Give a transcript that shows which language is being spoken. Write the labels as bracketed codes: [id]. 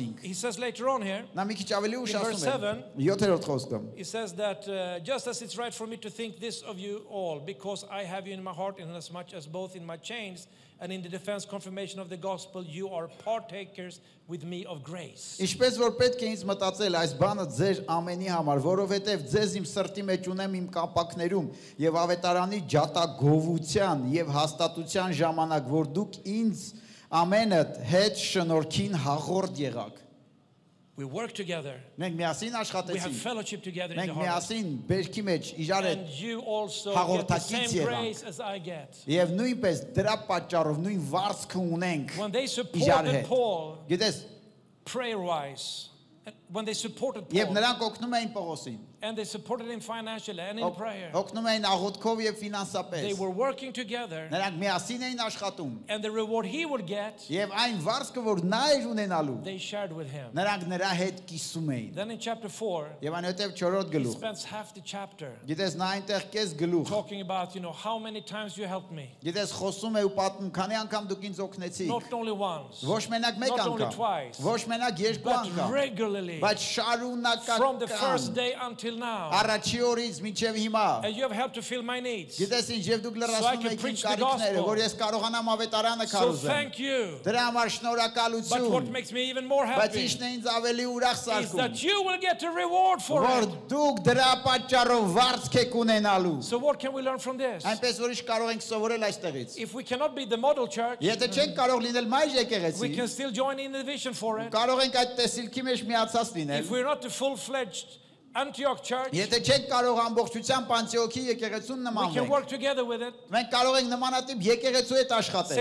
[en] He says later on here, in verse 7, he says that just as it's right for me to think this of you all, because I have you in my heart, inasmuch as both in my chains and in the defense confirmation of the gospel, you are partakers with me of grace. [hy] Ինչպես որ պետք է ինձ մտածել այս բանը ձեր ամենի համար, որովհետև ձեզ իմ սրտի մեջ ունեմ իմ կապակներում եւ ավետարանի ջատագովության եւ հաստատության ժամանակ, որ դուք ինձ ամենդ հետ շնորհքին հաղորդ եղաք. [en] We work together. [hy] Մենք միասին աշխատեցինք. [en] We have fellowship together. [hy] Մենք միասին բերքի մեջ իրար հետ հաղորդակից եղանք. Եվ նույնպես դրա պատճառով նույն վարձքը ունենք իրար հետ. Գիտես, [en] prayer-wise, when they supported Paul. [hy] Եվ նրանք օգնում էին Պողոսին. [en] And they supported him financially and in prayer. [hy] Օգնում էին աղոթքով եւ ֆինանսապես. [en] They were working together. [hy] Նրանք միասին էին աշխատում. [en] And the reward he would get. [hy] Եվ այն վարձը, որ նա էր ունենալու. [en] They shared with him. [hy] Նրանք նրա հետ կիսում էին. [en] Then in chapter 4. [hy] Եվ այնուհետև 4-րդ գլուխ. [en] He spends half the chapter. [hy] Գիտես, նա այնտեղ կես գլուխ. [en] Talking about, you know, how many times you helped me. [hy] Գիտես, խոսում է ու պատմում, քանի անգամ դուք ինձ օգնեցիք. [en] Not only once. [hy] Ոչ մենակ մեկ անգամ. [en] Not only twice. [hy] Ոչ մենակ երկու անգամ. [en] But regularly. [hy] Բայց շարունակական. [en] From the first day until now. And you have helped to fill my needs. So I can preach the gospel. So thank you. But what makes me even more happy is that you will get a reward for it. So what can we learn from this? If we cannot be the model church, we can still join in the vision for it. If we are not a full-fledged Antioch Church. [hy] Եթե չեք կարող ամբողջությամբ Անտիոքի եկեղեցուն նմանվել. [en] We can work together with it. [hy] Մենք կարող ենք նմանատիպ եկեղեցու հետ աշխատել.